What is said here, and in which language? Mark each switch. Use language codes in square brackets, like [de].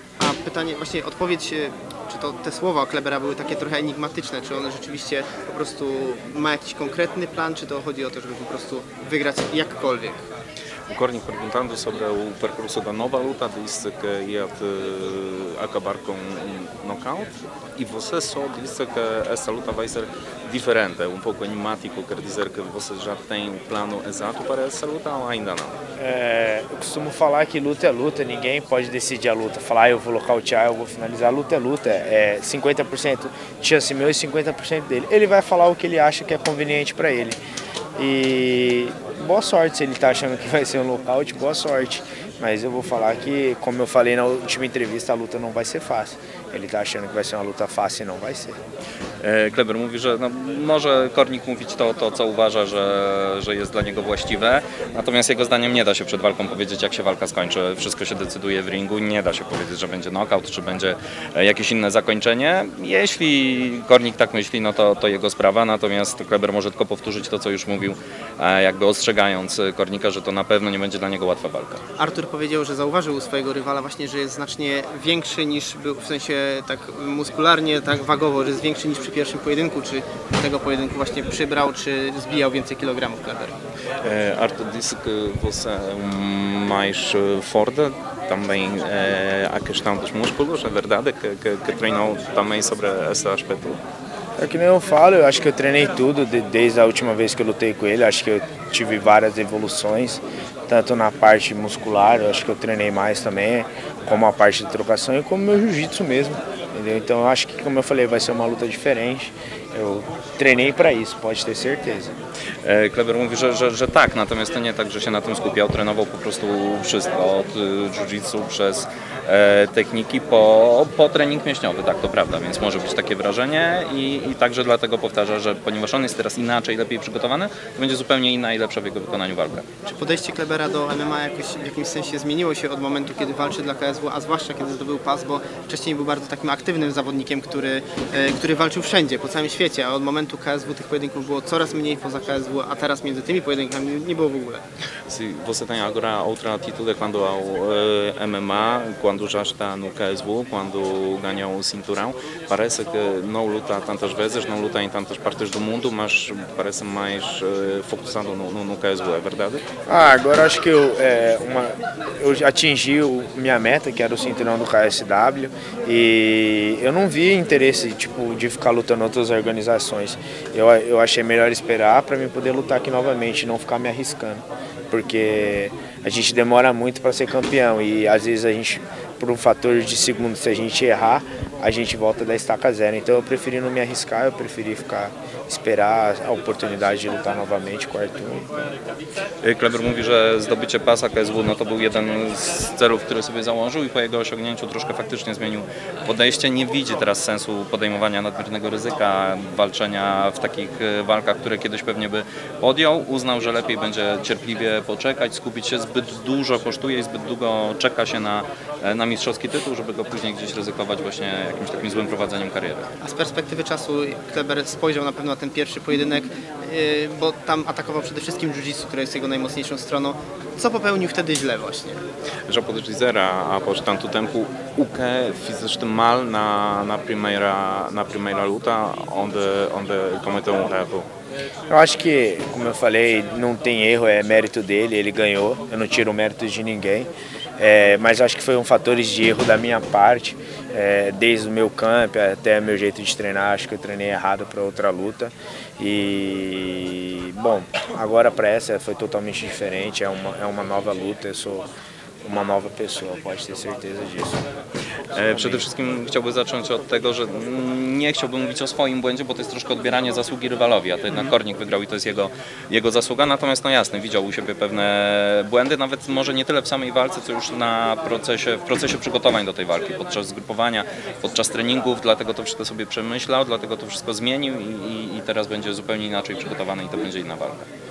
[pl] A pytanie, właśnie odpowiedź, czy to te słowa Klebera były takie trochę enigmatyczne, czy on rzeczywiście po prostu ma jakiś konkretny plan, czy to chodzi o to, żeby po prostu wygrać jakkolwiek? [pt] Ukornik preguntando sobre o percurso da nova luta, disse que ia acabar com knockout, e você só disse que essa luta vai ser diferente, pouco enigmático, quer dizer que você já tem o plano exato para essa luta ou ainda não? É, eu costumo falar que luta é luta, ninguém pode decidir a luta, falar eu vou nocautear, eu vou finalizar, luta é luta, é 50% chance meu e 50% dele. Ele vai falar o que ele acha que é conveniente para ele. E boa sorte se ele tá achando que vai ser um knockout, boa sorte. Mas eu vou falar que, como eu falei na última entrevista, a luta não vai ser fácil. Ele tá achando que vai ser uma luta fácil e não vai ser. [pl] Kleber mówi, że no, może Kornik mówić to, to co uważa, że jest dla niego właściwe. Natomiast jego zdaniem nie da się przed walką powiedzieć, jak się walka skończy. Wszystko się decyduje w ringu. Nie da się powiedzieć, że będzie knockout, czy będzie jakieś inne zakończenie. Jeśli Kornik tak myśli, no to, to jego sprawa. Natomiast Kleber może tylko powtórzyć to, co już mówił, jakby ostrzegając Kornika, że to na pewno nie będzie dla niego łatwa walka. Artur powiedział, że zauważył u swojego rywala właśnie, że jest znacznie większy niż był, w sensie tak muskularnie, tak wagowo, że jest większy niż przy pierwszym pojedynku, czy tego pojedynku właśnie przybrał, czy zbijał więcej kilogramów, Kleber? [pt] Artur disse que você é mais forte, também a questão dos músculos, é verdade que treinou também sobre esse aspecto? É que nem eu falo, eu acho que eu treinei tudo desde a última vez que eu lutei com ele, acho que eu tive várias evoluções, tanto na parte muscular, eu acho que eu treinei mais também, como a parte de trocação e como meu jiu-jitsu mesmo. Então eu acho que, como eu falei, vai ser uma luta diferente. Eu treinei para isso, pode ter certeza. [pl] Kleber mówi, że tak, natomiast to nie tak, że się na tym skupiał, trenował po prostu wszystko, od jiu-jitsu przez techniki po trening mięśniowy, tak, to prawda, więc może być takie wrażenie i także dlatego powtarza, że ponieważ on jest teraz inaczej, lepiej przygotowany, to będzie zupełnie inna i lepsza w jego wykonaniu walka. Czy podejście Klebera do MMA jakoś w jakimś sensie zmieniło się od momentu, kiedy walczy dla KSW, a zwłaszcza kiedy zdobył pas, bo wcześniej był bardzo takim aktywnym zawodnikiem, który walczył wszędzie, po całym świecie, a od momentu KSW tych pojedynków było coraz mniej poza KSW, a teraz między tymi pojedynkami nie było w ogóle. [pt] Si, você tem agora outra atitude quando ao MMA, quando já está no KSW, quando ganhou o cinturão, parece que não luta tantas vezes, não luta em tantas partes do mundo, mas parece mais focado no KSW, é verdade? Ah, agora acho que eu atingi minha meta, que era o cinturão do KSW, e eu não vi interesse tipo, de ficar lutando outras organizações. Eu achei melhor esperar para mim poder lutar aqui novamente, não ficar me arriscando. Porque a gente demora muito para ser campeão e às vezes a gente, por um fator de segundo, se a gente errar, a gente volta da estaca zero. Então eu preferi não me arriscar, eu preferi ficar, esperar a oportunidade de lutar novamente com o Arthur. [pl] Kleber mówi, że zdobycie pasa KSW no to był jeden z celów, który sobie założył i po jego osiągnięciu troszkę faktycznie zmienił podejście. Nie widzi teraz sensu podejmowania nadmiernego ryzyka walczenia w takich walkach, które kiedyś pewnie by podjął. Uznał, że lepiej będzie cierpliwie poczekać, skupić się. Zbyt dużo kosztuje i zbyt długo czeka się na mistrzowski tytuł, żeby go później gdzieś ryzykować właśnie jakimś takim złym prowadzeniem kariery. A z perspektywy czasu Kleber spojrzał na pewno na ten pierwszy pojedynek, bo tam atakował przede wszystkim jiu-jitsu, które jest jego najmocniejszą stroną. Co popełnił wtedy źle właśnie? [pt] Já podes dizer, após tanto tempo, o que fizeste mal na primeira luta, onde cometeu erro? Eu acho que, como eu falei, não tem erro, é mérito dele, ele ganhou, eu não tiro mérito de ninguém. Mas acho que foi um fator de erro da minha parte, desde o meu camp até o meu jeito de treinar, acho que eu treinei errado para outra luta. E, bom, agora para essa foi totalmente diferente, é uma nova luta, eu sou uma nova pessoa, pode ter certeza disso. [pl] Przede wszystkim chciałbym zacząć od tego, że nie chciałbym mówić o swoim błędzie, bo to jest troszkę odbieranie zasługi rywalowi, a to jednak Kornik wygrał i to jest jego zasługa. Natomiast no jasne, widział u siebie pewne błędy, nawet może nie tyle w samej walce, co już w procesie przygotowań do tej walki, podczas zgrupowania, podczas treningów, dlatego to wszystko sobie przemyślał, dlatego to wszystko zmienił i teraz będzie zupełnie inaczej przygotowany i to będzie inna walka.